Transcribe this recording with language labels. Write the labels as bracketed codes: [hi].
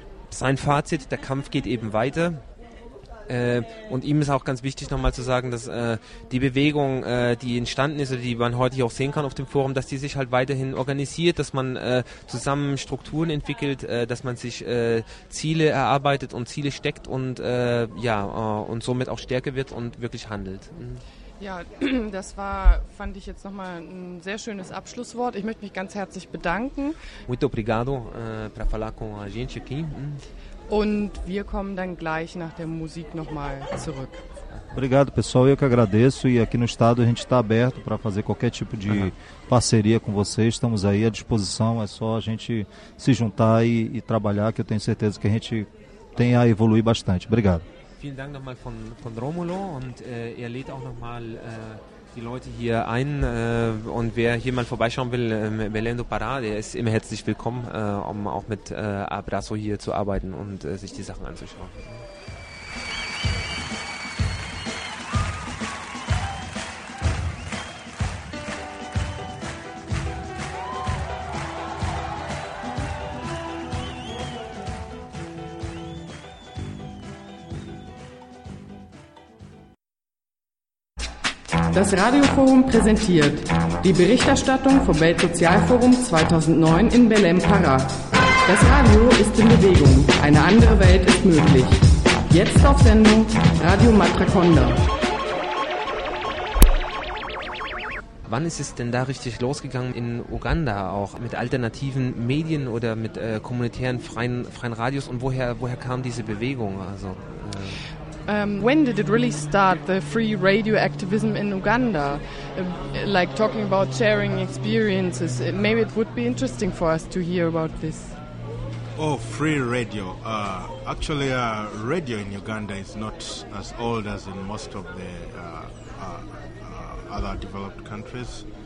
[de] Sein Fazit, der Kampf geht eben weiter. Und ihm ist auch ganz wichtig nochmal zu sagen, dass die Bewegung, die entstanden ist oder die man heute auch sehen kann auf dem Forum, dass die sich halt weiterhin organisiert, dass man zusammen Strukturen entwickelt, dass man sich Ziele erarbeitet und Ziele steckt und somit auch stärker wird und wirklich handelt. Ja, das war, fand ich jetzt nochmal ein sehr schönes Abschlusswort. Ich möchte mich ganz herzlich bedanken. [pt] Muito obrigado para falar com a gente aqui. [de] Und wir kommen dann gleich nach der Musik nochmal zurück. [pt] Obrigado, pessoal. Eu que agradeço. E aqui no estado a gente está aberto para fazer qualquer tipo de parceria com vocês. Estamos aí à disposição. É só a gente se juntar e trabalhar, que eu tenho certeza que a gente tem a evoluir bastante. Obrigado. [de] Vielen Dank nochmal von Romulo und er lädt auch nochmal die Leute hier ein und wer hier mal vorbeischauen will, Belém do Pará, der ist immer herzlich willkommen, um auch mit Abrazo hier zu arbeiten und sich die Sachen anzuschauen. Das Radioforum präsentiert die Berichterstattung vom Weltsozialforum 2009 in Belém, Pará. Das Radio ist in Bewegung. Eine andere Welt ist möglich. Jetzt auf Sendung Radio Matraconda. Wann ist es denn da richtig losgegangen in Uganda, auch mit alternativen Medien oder mit kommunitären freien Radios? Und woher kam diese Bewegung? Also, [en] When did it really start, the free radio activism in Uganda? Like talking about sharing experiences, maybe it would be interesting for us to hear about this. Oh, free radio. Actually, radio in Uganda is not as old as in most of the other developed countries.